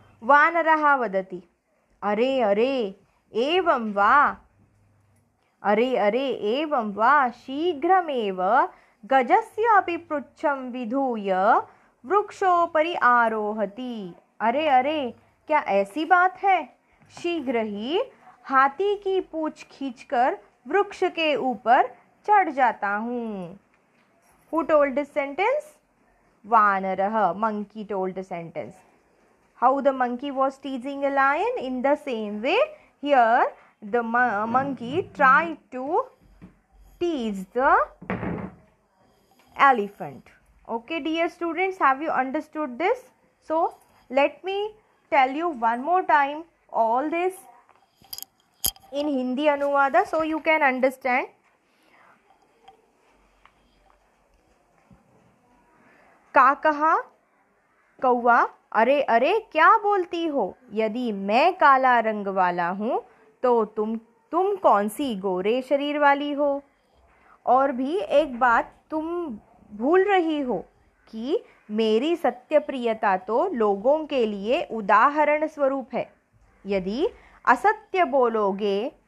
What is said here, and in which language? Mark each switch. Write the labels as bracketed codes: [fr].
[sa] वानरः वदति अरे अरे एवं वा अरे अरे एवं वा शीघ्रमेव गजस्य अपि पृच्छं विधूय वृक्षोपरि आरोहति [hi] अरे अरे क्या ऐसी बात है शीघ्र ही हाथी की पूछ खींचकर वृक्ष के ऊपर चढ़ जाता हूँ [en] Who told this sentence? Vanar monkey told the sentence. How the monkey was teasing a lion? In the same way, here the monkey tried to tease the elephant. Okay, dear students, have you understood this? So, let me tell you one more time all this in Hindi Anuvada so you can understand. [hi] का कहा कौवा अरे अरे क्या बोलती हो यदि मैं काला रंग वाला हूँ तो तुम कौन सी गोरे शरीर वाली हो और भी एक बात तुम भूल रही हो कि मेरी सत्य प्रियता तो लोगों के लिए उदाहरण स्वरूप है यदि असत्य बोलोगे